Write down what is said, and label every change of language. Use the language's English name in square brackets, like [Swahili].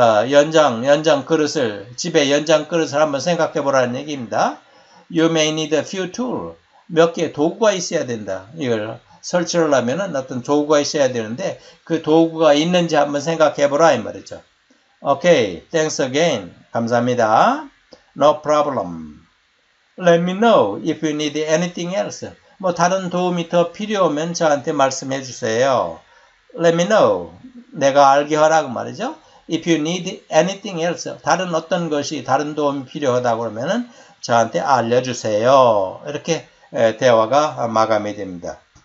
[Korean] 연장 그릇을, 집에 연장 그릇을 한번 생각해 보라는 얘기입니다. [English] You may need a few tools. [Korean] 몇 개의 도구가 있어야 된다. 이걸 설치를 하려면은 어떤 도구가 있어야 되는데, 그 도구가 있는지 한번 생각해 보라, 이 말이죠. [English] Okay, thanks again. [Korean] 감사합니다. [English] No problem. Let me know if you need anything else. [Korean] 뭐, 다른 도움이 더 필요하면 저한테 말씀해 주세요. [English] Let me know. [Korean] 내가 알게 하라고 말이죠. [English] If you need anything else, [Korean] 다른 어떤 것이 다른 도움이 필요하다고 그러면은 저한테 알려주세요. 이렇게 대화가 마감이 됩니다.